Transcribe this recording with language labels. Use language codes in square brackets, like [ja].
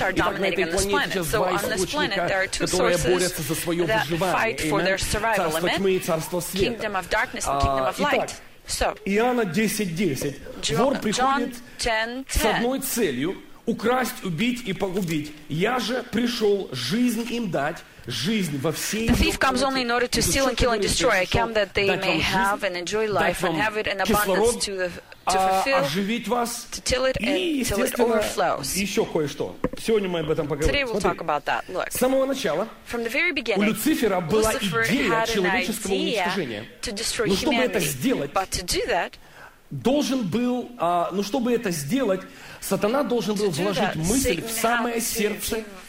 [ru] Итак, на этой планете сейчас два источника, которые борются за свое выживание. Царство тьмы и царство света. [en] Kingdom of darkness and kingdom of light. [ru] So, Иоанна 10:10. Вор приходит с одной целью: украсть, убить и погубить. Я же пришел жизнь им дать. [en] The thief comes only in order to steal and kill and destroy. I come that they may have and enjoy life and have it in abundance to fulfill, to till it and till it overflows. [ru] Еще кое-что. Сегодня мы об этом поговорим. [en] Today we'll talk about that. Look. [ru] С самого начала. [en] From the very beginning, [ru] Люцифера была идея человеческого уничтожения. [en] To destroy humanity. But to do that, [ru] должен был, ну чтобы это сделать, сатана должен был вложить мысль в самое сердце